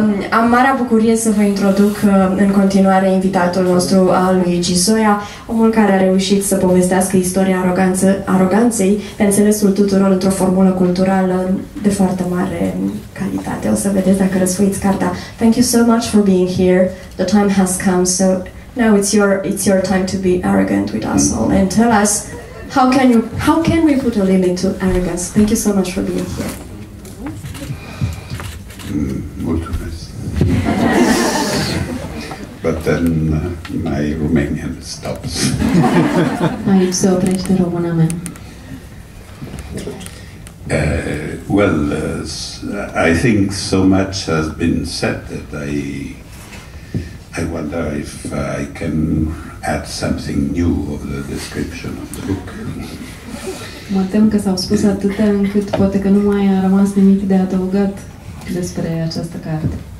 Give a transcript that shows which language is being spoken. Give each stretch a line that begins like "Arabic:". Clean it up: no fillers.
Romanian: Am marea bucurie să vă introduc în continuare invitatul nostru al lui Cisoia, omul care a reușit să povestească istoria aroganței pe înțelesul tuturor într-o formulă culturală de foarte mare calitate. O să vedeți dacă răsfoiți cartea.
English: Thank you so much for being here. The time has come, so now it's your time to be arrogant with us all and tell us how can we put a limit to arrogance. Thank you so much for being here. But then my Romanian stops.
Romanian: Mai se oprește româna mea.
English: Well, I think so much has been said that I wonder if I can add something new of the description of the book.
Romanian: Mă tem că s-au spus atâtea încât poate că nu mai a rămas nimic de adăugat despre această carte.